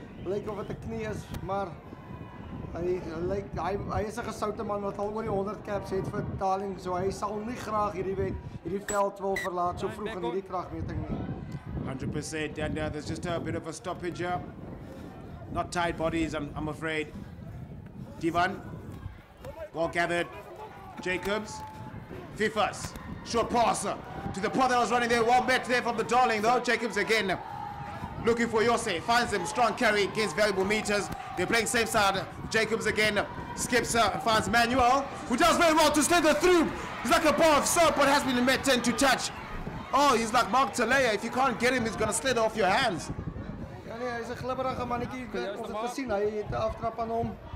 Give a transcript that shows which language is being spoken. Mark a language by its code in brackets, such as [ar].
[af] Blyk of dit 'n knie is, maar hy is 'n gesoute man wat al oor die 100 caps het vir Darling, so hy sal nie graag hierdie veld wil verlaat so vroeg in hierdie kragmeting nie. [en] 100%, and there's just a bit of a stoppage here. Not tight bodies, I'm afraid. Devon, well gathered. Jacobs, Fifas, short pass to the pot that was running there. Well met there from the Darling though. Jacobs again looking for Yose. Finds him. Strong carry against valuable meters. They're playing safe side. Jacobs again skips and finds Manuel, who does very well to slither through. He's like a ball of soap, but has been met into touch. Oh, he's like Mark Talea. If you can't get him, he's going to slither off your hands. He's a [af] glibberige mannetjie. Ons het gesien, hy het 'n aftrap aan hom.